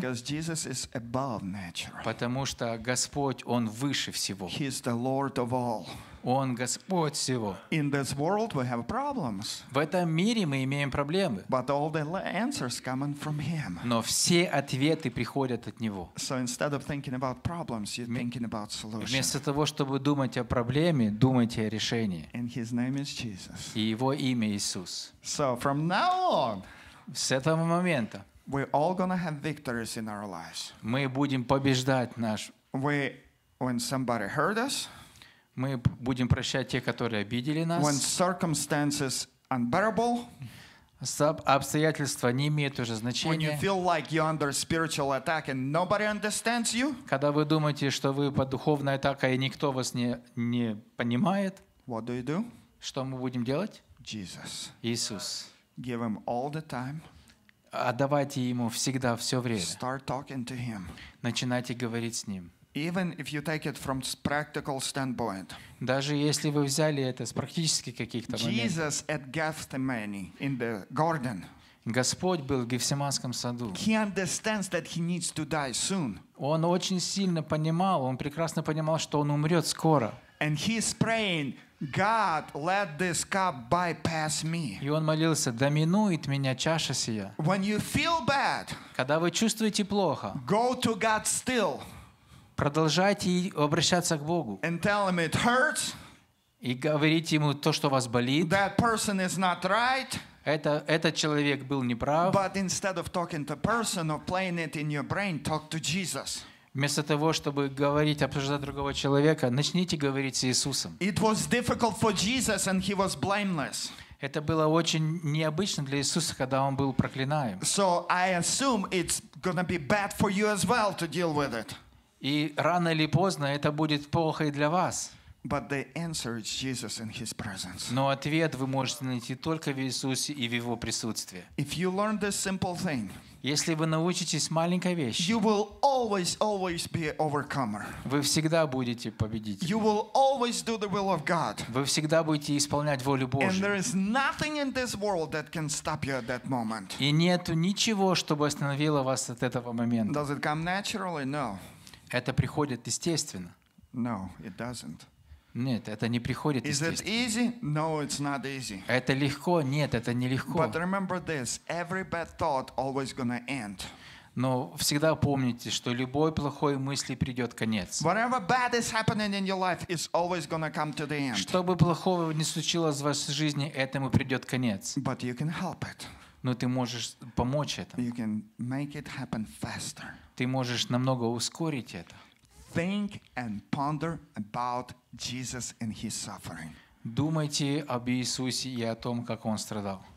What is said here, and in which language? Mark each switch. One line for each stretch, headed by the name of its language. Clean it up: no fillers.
English: Because Jesus is above nature.
Russian: Потому что Господь, Он выше всего.
English: He is the Lord of all.
Russian: Он Господь всего.
English: In this world we have problems.
Russian: В этом мире мы имеем проблемы.
English: But all the answers come from Him.
Russian: Но все ответы приходят от Него.
English: So instead of thinking about problems, you're thinking about solutions.
Russian: Вместо того, чтобы думать о проблеме, думайте о решении.
English: And His name is Jesus.
Russian: И Его имя Иисус.
English: So from now on,
Russian: с этого момента,
English: we're all gonna have victories in our lives.
Russian: Мы будем побеждать наш.
English: When somebody hurt us.
Russian: Мы будем прощать тех, которые обидели нас.
English: When circumstances unbearable.
Russian: Обстоятельства не имеют уже значения.
English: When you feel like you're under spiritual attack and nobody understands you.
Russian: Когда вы думаете, что вы под духовной атакой и никто вас не понимает.
English: What do you do?
Russian: Что мы будем делать?
English: Jesus.
Russian: Иисус.
English: Give him all the time.
Russian: Отдавайте ему всегда все время.
English: Start talking to him.
Russian: Начинайте говорить с ним.
English: Even if you take it from practical standpoint.
Russian: Даже если вы взяли это с практических каких-то моментов.
English: Jesus at Gethsemane in the garden.
Russian: Господь был в Гефсиманском саду.
English: He understands that he needs to die soon.
Russian: Он очень сильно понимал, он прекрасно понимал, что он умрет скоро.
English: And he's praying, God, let this cup bypass me.
Russian: И он молился, да минует меня чаша сия.
English: When you feel bad.
Russian: Когда вы чувствуете плохо.
English: Go to God still.
Russian: Продолжайте обращаться к Богу.
English: And tell him it hurts.
Russian: И говорите ему то, что вас болит.
English: That person is not right.
Russian: Этот человек был неправ.
English: But instead of talking to person or playing it in your brain, talk to Jesus.
Russian: Вместо того, чтобы говорить, обсуждать другого человека, начните говорить с Иисусом.
English: It was difficult for Jesus and he was blameless.
Russian: Это было очень необычно для Иисуса, когда он был проклинаем.
English: So I assume it's gonna be bad for you as well to deal with it.
Russian: И рано или поздно это будет плохо и для вас.
English: But the answer is Jesus in his presence.
Russian: Но ответ вы можете найти только в Иисусе и в Его присутствии.
English: If you learn this simple thing,
Russian: если вы научитесь маленькой вещи,
English: you will always, always be an overcomer.
Russian: Вы всегда будете победителем.
English: You will always do the will of God.
Russian: Вы всегда будете исполнять волю Божью.
English: And there is nothing in this world that can stop you at that moment.
Russian: И нету ничего, чтобы остановило вас от этого момента.
English: Does it come naturally? No.
Russian: Это приходит естественно.
English: No, it doesn't.
Russian: Нет, это не приходит естественно.
English: Is it easy? No, it's not easy.
Russian: Это легко? Нет, это не легко.
English: But remember this, every bad thought always gonna end.
Russian: Но всегда помните, что любой плохой мысли придет конец.
English: Whatever bad is happening in your life is always gonna come to the end.
Russian: Что бы плохого ни случилось в вашей жизни, этому придет конец.
English: But you can help it.
Russian: Но ты можешь помочь этому.
English: You can make it happen faster.
Russian: Ты можешь намного ускорить это.
English: Think and ponder about Jesus and his suffering.
Russian: Думайте об Иисусе и о том, как он страдал.